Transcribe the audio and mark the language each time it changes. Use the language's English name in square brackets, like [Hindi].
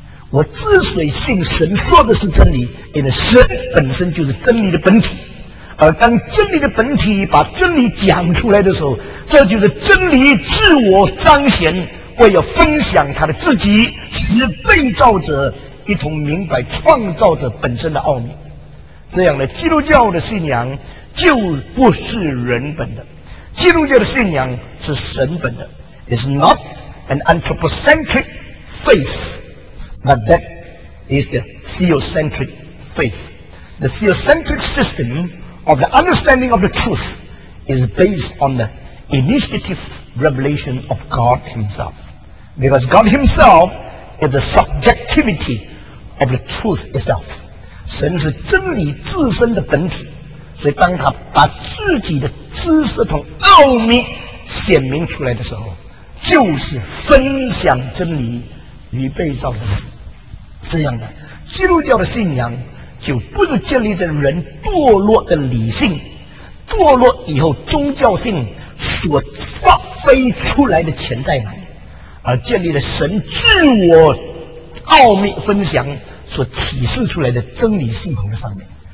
[Chinese] 我之所以信神说的是真理，因为神本身就是真理的本体，而当真理的本体把真理讲出来的时候，这就是真理自我彰显，为了分享他的自己，使被造者一同明白创造者本身的奥秘。这样的基督教的信仰就不是人本的，基督教的信仰是神本的。 [English] It's not an anthropocentric faithBut that is the theocentric faith. The theocentric system of the understanding of the truth is based on the initiative revelation of God Himself. Because God Himself is the subjectivity of the truth itself. [Chinese] 神是真理自身的本体，所以当他把自己的知识从奥秘显明出来的时候，就是分享真理与被造的人。这样的基督教的信仰就不是建立在人堕落的理性，堕落以后宗教性所发挥出来的潜在能，而建立了神自我奥秘分享所启示出来的真理系统的上面。